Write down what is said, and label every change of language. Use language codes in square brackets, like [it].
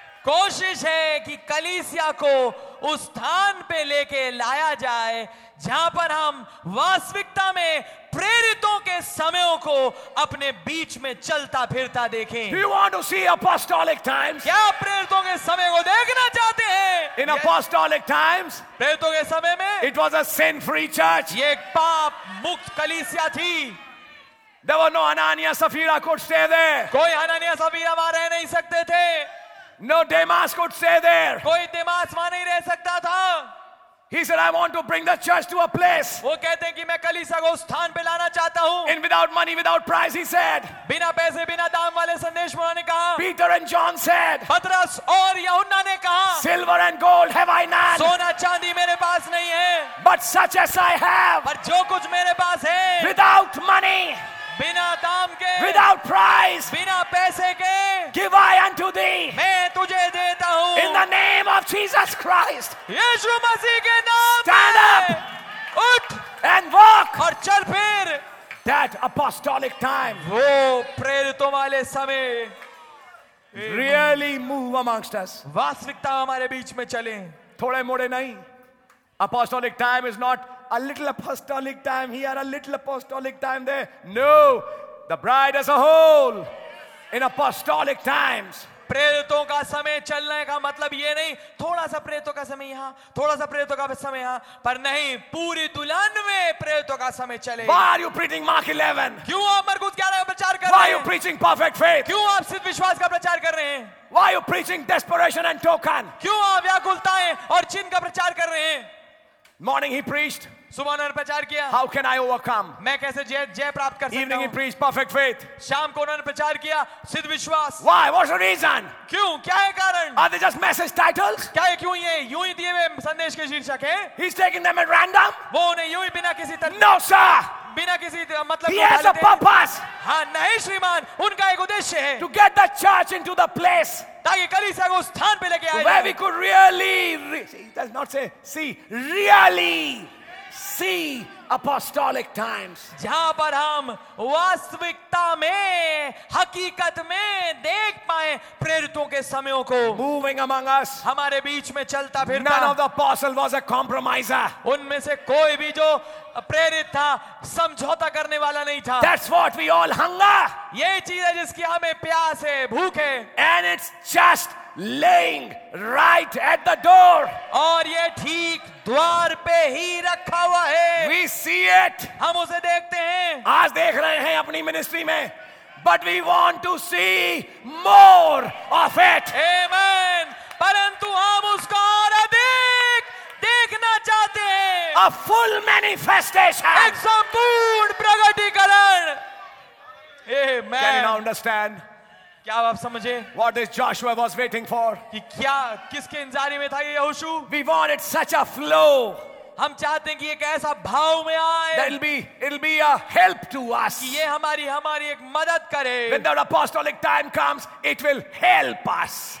[hi] कोशिश है कि कलीसिया को उस स्थान पे लेके लाया जाए जहां पर हम वास्तविकता में प्रेरितों के समयों को अपने बीच में चलता फिरता देखें. [en] You want to see apostolic times? [hi] क्या प्रेरितों के समय को देखना चाहते हैं? [en] In apostolic times, [hi] प्रेरितों के समय में, [en] it was a sin-free church. [hi] ये एक पाप मुक्त कलीसिया थी. [en] There were no Anania Sapphira could stay there. [hi] कोई अनानिया सफीरा वहां रह नहीं सकते थे. [en] No Demas could stay there. [hi] कोई देमास वहां नहीं रह सकता था. [en] He said, I want to bring the church to a place. [hi] वो कहते हैं कि मैं कलीसिया को उस स्थान पे लाना चाहता हूँ. [en] In without money, without price, he said. [hi] बिना पैसे, बिना दाम वाले संदेश में उन्होंने कहा. [en] Peter and John said. [hi] पतरस और यहुन्ना ने कहा. [en] Silver and gold have I none. [hi] सोना चांदी मेरे पास नहीं है. [en] But such as I have. [hi] पर जो कुछ मेरे पास है. [en] Without money. [hi] बिना दाम के. [en] Without price. [hi] बिना पैसे के. [en] Give I unto thee. [hi] मैं तुझे देता हूँ. [en] In the name of Jesus Christ. [hi] यीशु मसीह के नाम. [en] Stand up. [hi] उठ. [en] And walk. [hi] और चल फिर. [en] That apostolic time. [hi] वो प्रेरितों वाले समय. [en] Really move amongst us. [hi] वास्तविकता हमारे बीच में चलें. थोड़े मोड़े नहीं. [en] Apostolic time is not a little apostolic time here, a little apostolic time there. No, the bride as a whole in apostolic times. [hi] प्रेरितों का समय चलने का मतलब ये नहीं थोड़ा सा प्रेरितों का समय यहाँ थोड़ा सा प्रेरितों का समय यहाँ पर नहीं पूरी दुल्हन में प्रेरितों का समय चले. [en] Why are you preaching Mark 11? [hi] क्यों आप मरकुस 11 का प्रचार कर रहे हैं? [en] Why are you preaching perfect faith? [hi] क्यों आप सिद्ध विश्वास का प्रचार कर रहे हैं? [en] Why are you preaching desperation and token? [hi] क्यों आप व्याकुलताएं और चिन्ह का प्रचार कर रहे हैं? [en] Morning he preached. [hi] सुबह उन्होंने प्रचार किया. [en] How can I overcome? [hi] मैं कैसे जय प्राप्त कर सकता हूं? [en] Evening he preached perfect faith. [hi] शाम को उन्होंने प्रचार किया सिद्ध विश्वास. [en] Why? What's the reason? [hi] क्यों? क्या है कारण? [en] Are they just message titles? [hi] क्या है क्यों ये? यूं ही दिए हुए संदेश के शीर्षक हैं? [en] He's taking them at random? [hi] वो उन्हें यूं ही बिना किसी तरह. [en] No sir. [hi] बिना किसी मतलब [en] he has a purpose. [hi] हाँ नहीं श्रीमान उनका एक उद्देश्य है. [en] To get the church into the place. [hi] ताकि कलीसिया को स्थान पे लेके आए. [en] Where we could really, he does not say, see, really see apostolic times. [hi] जहां पर हम वास्तविकता में हकीकत में देख पाए प्रेरितों के समयों को. [en] Moving among us. [hi] हमारे बीच में चलता फिरता. [en] None of the apostles was a compromiser. [hi] उनमें से कोई भी जो प्रेरित था समझौता करने वाला नहीं था. [en] That's what we all hunger. [hi] ये चीज है जिसकी हमें प्यास है भूख है. [en] And it's just laying right at the door. [hi] और ये ठीक द्वार पे ही रखा हुआ है. [en] We see it. [hi] हम उसे देखते हैं. आज देख रहे हैं अपनी मिनिस्ट्री में. [en] But we want to see more of it. Amen. [hi] परंतु हम उसको और अधिक देखना चाहते हैं. [en] A full manifestation. [hi] एक संपूर्ण प्रगटीकरण. [en] Amen. Can you now understand? [hi] क्या आप समझे? [en] What is Joshua was waiting for? [hi] कि क्या किसके इंतजारी में था ये यहोशू? [en] We wanted such a flow. [hi] हम चाहते हैं कि एक ऐसा भाव में आए. [en] It'll be a help to us. [hi] कि ये हमारी एक मदद करे. [en] When the apostolic time comes, it will help us.